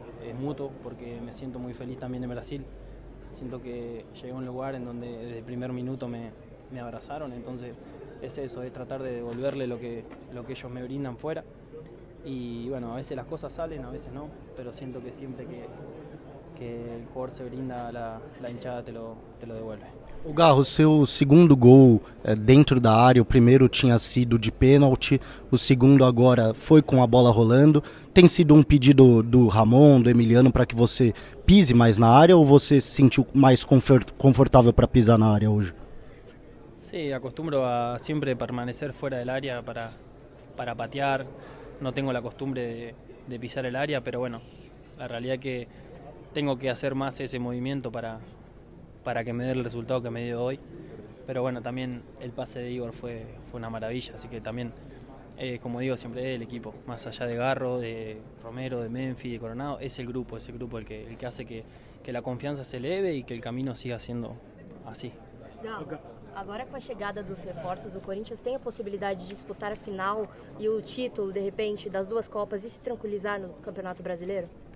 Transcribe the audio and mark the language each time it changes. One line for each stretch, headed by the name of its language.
Spanish: Es mutuo, porque me siento muy feliz también en Brasil. Siento que llegué a un lugar en donde desde el primer minuto me abrazaron, entonces es eso, es tratar de devolverle lo que ellos me brindan fuera. Y bueno, a veces las cosas salen, a veces no, pero siento que siempre que el jugador se brinda a la hinchada te lo devuelve.
Portuguese: O Garro, seu segundo gol dentro da área, o primeiro tinha sido de pênalti, o segundo agora foi com a bola rolando. Tem sido um pedido do Ramon, do Emiliano, para que você pise mais na área ou você se sentiu mais confortável para pisar na área hoje? Sim,
Spanish: sí,
Portuguese: acostumo a sempre permanecer fora da área para patear. Não tenho a costumbre de pisar a área, mas, bueno, a realidade é que tenho que fazer mais esse movimento
Spanish: para que me dé el resultado que me dio hoy. Pero bueno, también el pase de Igor fue una maravilla, así que también, como digo siempre, es el equipo, más allá de Garro, de Romero, de Memphis, de Coronado, es el grupo el que hace que la confianza se eleve y que el camino siga siendo así.
Portuguese: Agora com a chegada dos reforços, o Corinthians tem a possibilidade de disputar a final y o título, de repente, das duas copas y se tranquilizar no Campeonato Brasileiro?